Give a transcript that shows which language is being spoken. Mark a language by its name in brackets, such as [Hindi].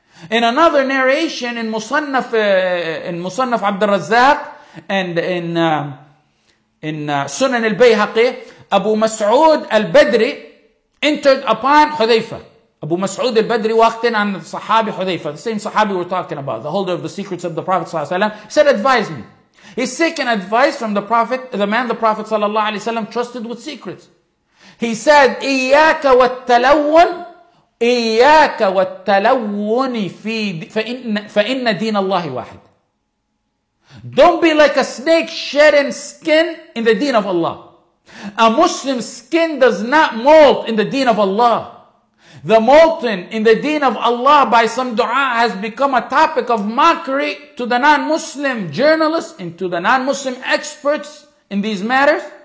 [English] In another narration in Musannaf Abd al-Razzaq and in Sunan al-Bayhaqi, Abu Mas'ud al-Badri entered upon Hudhayfa. Abu Mas'ud al-Badri walked in on the Sahabi Hudhayfa, the same Sahabi we're talking about, the holder of the secrets of the Prophet sallallahu alaihi wasallam. Said, advise me. He's seeking advice from the Prophet, the man the Prophet sallallahu alaihi wasallam trusted with secrets. He said, [Arabic] إِيَّاكَ وَالتَّلَوُّنِ إياك والتلون في فإن دين الله واحد. [English] Don't be like a snake shedding skin in the deen of Allah. A Muslim skin does not molt in the deen of Allah. The molting in the deen of Allah by some dua has become a topic of mockery to the non-Muslim journalists and to the non-Muslim experts in these matters.